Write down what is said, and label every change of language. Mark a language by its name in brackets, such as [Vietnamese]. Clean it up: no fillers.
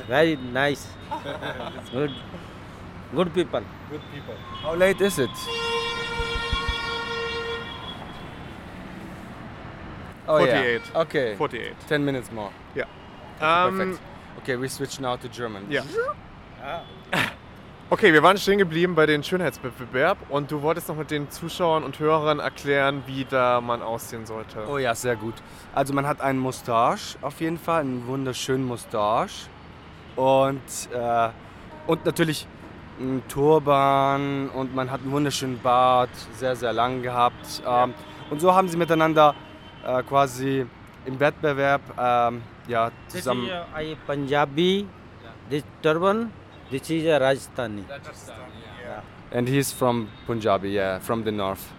[English] Very nice. Good. Good people. Good people. How late is it? Oh, 48. Yeah. Okay. 48. 10 minutes more. Yeah. Okay, perfect. Okay, we switch now to German. Yeah. [German] Okay, wir waren stehen geblieben bei den Schönheitswettbewerb und du wolltest noch mit den Zuschauern und Hörern erklären, wie da man aussehen sollte. Oh ja, sehr gut. Also man hat einen Mustache auf jeden Fall, einen wunderschönen Mustache und natürlich einen Turban und man hat einen wunderschönen Bart, sehr, sehr lang gehabt. Ja. Und so haben sie miteinander quasi im Wettbewerb zusammen. [English] This is a Punjabi, this turban, this is a Rajasthani. Rajasthani, yeah. And he's from Punjabi, yeah, from the north.